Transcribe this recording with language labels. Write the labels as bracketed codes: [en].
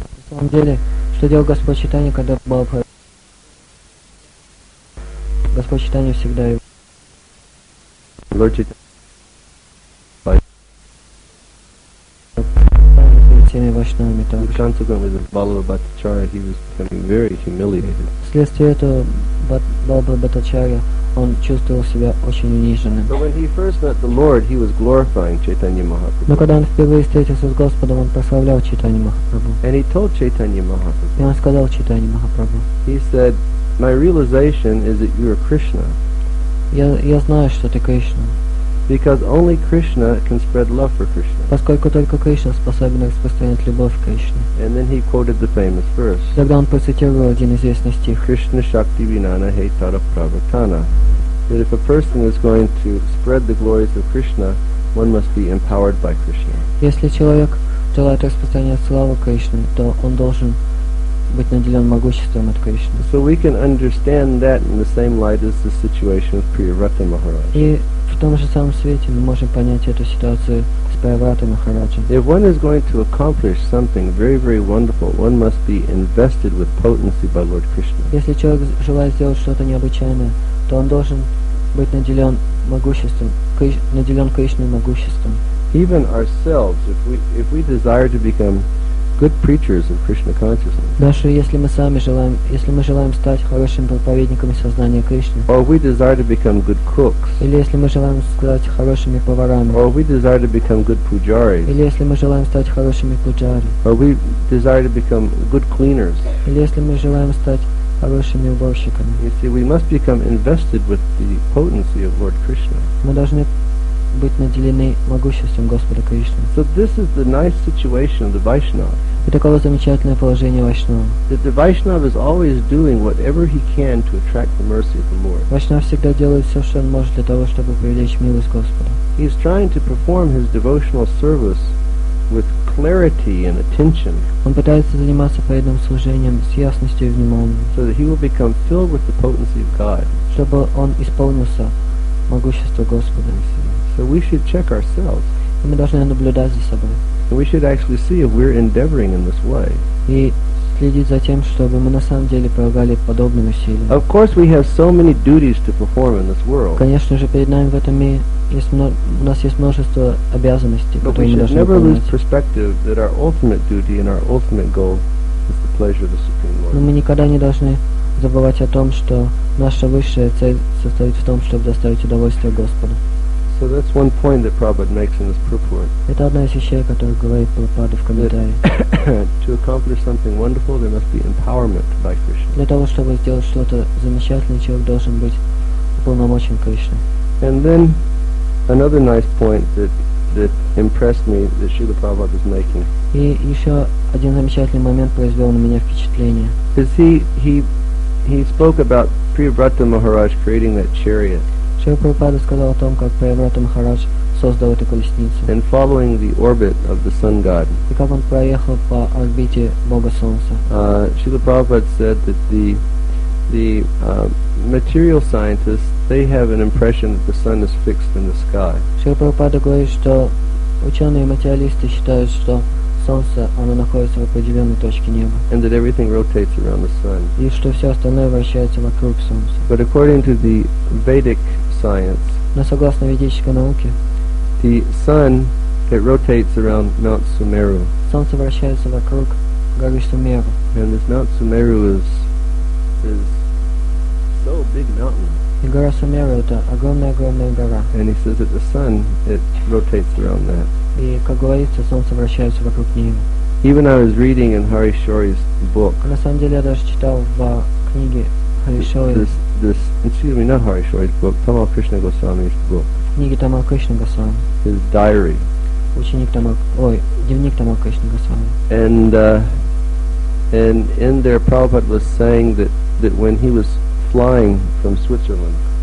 [ru] На самом деле, что делал Господь Чайтанья, когда Балабха... Господь Чайтанья всегда его... [en] Lord Chaitanya... [ru] ...пытался перед всеми вайшнавами там. [en] Consequently, the Balabha Bhattacharya, he was becoming very humiliated. [ru] Вследствие этого, Балабха Бхаттачарья, он чувствовал себя очень униженным. [en] But when he first met the Lord, he was glorifying Chaitanya Mahaprabhu. [ru] Но когда он впервые встретился с Господом, он прославлял Чайтанья Махапрабху. [en] And he told Chaitanya Mahaprabhu. [ru] И он сказал Чайтанья Махапрабху. [en] He said, "My realization is that you are Krishna." [ru] Я знаю, что ты Кришна. [en] Because only Krishna can spread love for Krishna. [ru] Поскольку только Кришна способен распространять любовь к Кришне. [en] And then he quoted the famous verse. [ru] Тогда он процитировал один известный стих. [bn] Krishna shakti vinana hai tara pravartana. [en] That if a person is going to spread the glories of Krishna, one must be empowered by Krishna. [ru] Если человек желает распространять славу Кришне, то он должен быть наделен могуществом от Кришны. [en] So we can understand that in the same light as the situation of Priyavrata Maharaj. [ru] В том же самом свете мы можем понять эту ситуацию с Прайаватой Махараджем. [en] If one is going to accomplish something very, very wonderful, one must be invested with potency by Lord Krishna. [ru] Если человек желает сделать что-то необычайное, то он должен быть наделен могуществом, наделен Кришной могуществом. [en] Even ourselves, if we desire to become good preachers of Krishna consciousness. [ru] Даже если мы сами желаем, если мы желаем стать хорошими проповедниками сознания Кришны. [en] Or if we desire to become good cooks. [ru] Или если мы желаем стать хорошими поварами. [en] Or if we desire to become good pujaris. [ru] Или если мы желаем стать хорошими пуджари. [en] Or if we desire to become good cleaners. [ru] Или если мы желаем стать хорошими уборщиками. [en] You see, we must become invested with the potency of Lord Krishna. [ru] Мы должны быть наделены могуществом Господа Кришны. [en] So this is the nice situation of the Vaishnava. [ru] И таково замечательное положение Вайшнава. [en] That the Vaishnava is always doing whatever he can to attract the mercy of the Lord. [ru] Вайшнав всегда делает все, что он может для того, чтобы привлечь милость Господа. [en] He is trying to perform his devotional service with clarity and attention. [ru] Он пытается заниматься преданным служением с ясностью и вниманием. [en] So that he will become filled with the potency of God. [ru] Чтобы он исполнился могущество Господа. [en] So we should check ourselves. [ru] И мы должны наблюдать за собой. [en] And we should actually see if we're endeavoring in this way. [ru] И следить за тем, чтобы мы на самом деле прилагали подобные усилия. [en] Of course, we have so many duties to perform in this world. [ru] Конечно же, перед нами в этом мире у нас есть множество обязанностей, которые мы должны выполнять. [en] But we should never lose perspective that our ultimate duty and our ultimate goal is the pleasure of the Supreme Lord. [ru] Но мы никогда не должны забывать о том, что наша высшая цель состоит в том, чтобы доставить удовольствие Господу. [en] So that's one point that Prabhupada makes in his purport. [ru] Это одна из вещей, о которой говорит Прабхупада в комментарии. [en] To accomplish something wonderful, there must be empowerment by Krishna. [ru] Для того, чтобы сделать что-то замечательное, человек должен быть уполномочен Кришной. [en] And then another nice point that impressed me that Srila Prabhupada is making. [ru] И еще один замечательный момент произвел на меня впечатление. [en] Is he spoke about Priyavrata Maharaj creating that chariot. [ru] Шрила Прабхупада сказал о том, как Прайаврата Махарадж создал эту колесницу. [en] And following the orbit of the sun god. [ru] И как он проехал по орбите Бога Солнца. [en] Шрила Прабхупада said that the material scientists, they have an impression that the sun is fixed in the sky. [ru] Шрила Прабхупада говорит, что ученые материалисты считают, что Солнце, оно находится в определенной точке неба. [en] And that everything rotates around the sun. [ru] И что все остальное вращается вокруг Солнца. [en] But according to the Vedic science, [ru] но согласно ведической науке, [en] the sun, it rotates around Mount Sumeru. [ru] Солнце вращается вокруг горы Сумеру. [en] And this Mount Sumeru is so big mountain. [ru] И гора Сумеру — это огромная-огромная гора. [en] And he says that the sun, it rotates around that. [ru] И, как говорится, солнце вращается вокруг него. [en] Even I was reading in Hari Shori's book. [ru] На самом деле я даже читал в книге Hari Shori. [en] Excuse me, not Hari Shori's book. Tamal Krishna Goswami's book. [ru] Книги Тамал Кришна Госвами. [en] His diary. [ru] Ученик Тамал, ой, дневник Тамал Кришна Госвами. [en] And in there, Prabhupada was saying that when he was flying from Switzerland.